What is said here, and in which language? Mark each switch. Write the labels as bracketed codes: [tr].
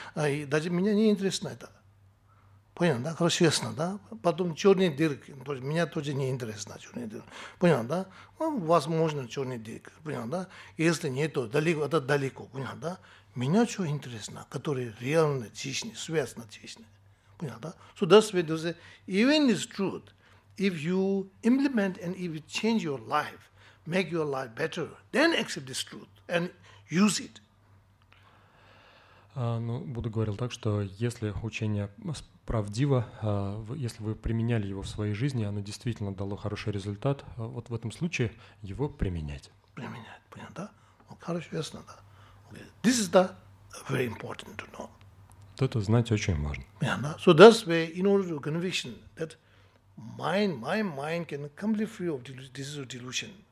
[ru] И даже меня не интересно это. Понятно, да? Хорошо, ясно, да? Потом черные дырки. То есть меня тоже не интересно черные дырки. Понятно, да? Ну, возможно, черные дырки. Понятно, да? Если нет, то далеко, это далеко. Понятно, да? Меня что интересно, которые реально тишны, связаны тишны. Понятно, да? [en] So that's why they say, even it's truth, if you implement and if you change your life, make your life better, then accept this truth and use it. [ru] Ну, Будда говорил так, что если учение правдиво, если вы применяли его в своей жизни, оно действительно дало хороший результат, вот в этом случае его применять. Применять, понятно, да? Хорошо, ясно, да. [en] This is the very important to know. [ru] Вот это знать очень важно. [en] Yeah, no? So that's why in order to conviction that my mind can completely free of delusion.